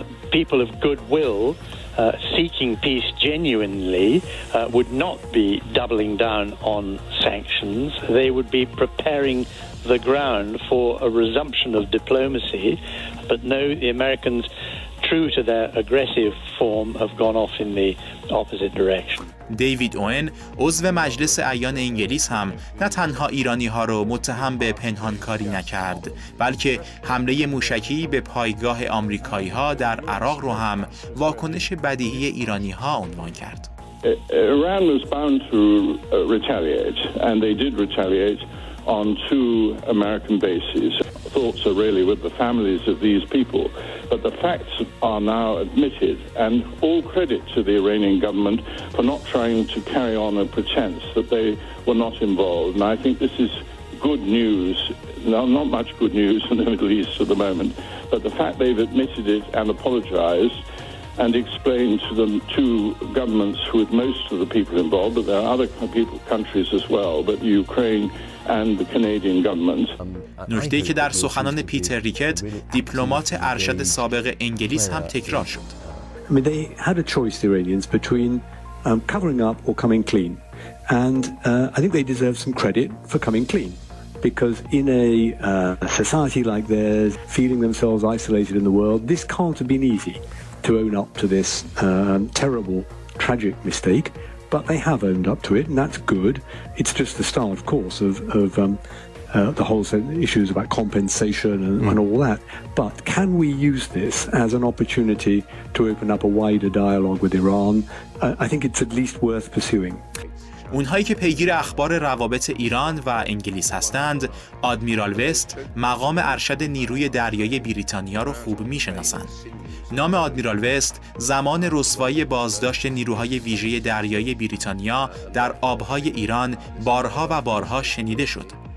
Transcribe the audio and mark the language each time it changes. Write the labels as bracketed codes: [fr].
[en] People of goodwill seeking peace genuinely would not be doubling down on sanctions. They would be preparing the ground for a resumption of diplomacy. But no, the Americans, true to their aggressive form, have gone off in the opposite direction. [fa] دیوید اوئن، عضو مجلس اعیان انگلیس هم نه تنها ایرانی ها رو متهم به پنهانکاری نکرد، بلکه حمله موشکی به پایگاه آمریکایی ها در عراق رو هم واکنش بدیهی ایرانی ها عنوان کرد. [en] Iran was bound to retaliate and they did retaliate on two American bases. Thoughts are really with the families of these people, but the facts are now admitted, and all credit to the Iranian government for not trying to carry on a pretense that they were not involved. And I think this is good news, not much good news in the Middle East at the moment, but the fact they've admitted it and apologized and explained to the two governments with most of the people involved, but there are other countries as well, but Ukraine and the Canadian government. [fa] نکته‌ای که در سخنان پیتر ریکت، دیپلمات ارشد سابق انگلیس هم تکرار شد. [en] I mean, they had a choice, the Iranians, between covering up or coming clean. And I think they deserve some credit for coming clean. Because in a society like theirs, feeling themselves isolated in the world, this can't have been easy to own up to this terrible, tragic mistake. But they have owned up to it, and that's good. It's just the start, of course, the whole set of issues about compensation and all that. But can we use this as an opportunity to open up a wider dialogue with Iran? I think it's at least worth pursuing. [fa] اونهایی که پیگیر اخبار روابط ایران و انگلیس هستند، آدمیرال وست مقام ارشد نیروی دریایی بریتانیا رو خوب میشناسند. نام آدمیرال وست زمان رسوایی بازداشت نیروهای ویژه دریایی بریتانیا در آبهای ایران بارها و بارها شنیده شد.